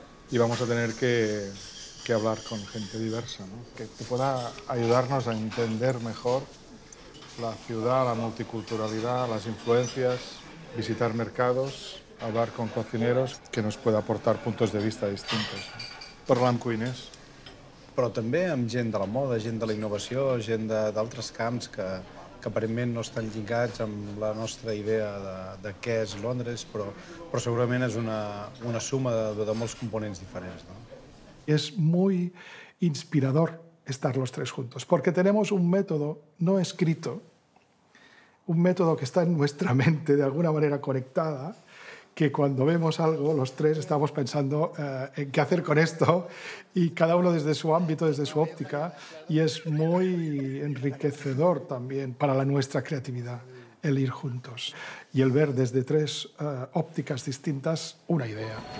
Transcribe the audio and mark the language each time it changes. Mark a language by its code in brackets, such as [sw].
[es] Y vamos a tener que hablar con gente diversa, ¿no? Que pueda ayudarnos a entender mejor la ciudad, la multiculturalidad, las influencias, visitar mercados, hablar con cocineros, que nos pueda aportar puntos de vista distintos. [ca] Parlar amb cuiners. Però també amb gent de la moda, gent de la innovació, gent d'altres camps que aparentment no estan lligats amb la nostra idea de què és Londres, però segurament és una suma de molts components diferents. No? És molt inspirador [es] estar los tres juntos, porque tenemos un método no escrito, un método que está en nuestra mente de alguna manera conectada, que cuando vemos algo, los tres estamos pensando en qué hacer con esto, y cada uno desde su ámbito, desde su óptica, y es muy enriquecedor también para la nuestra creatividad el ir juntos y el ver desde tres ópticas distintas una idea.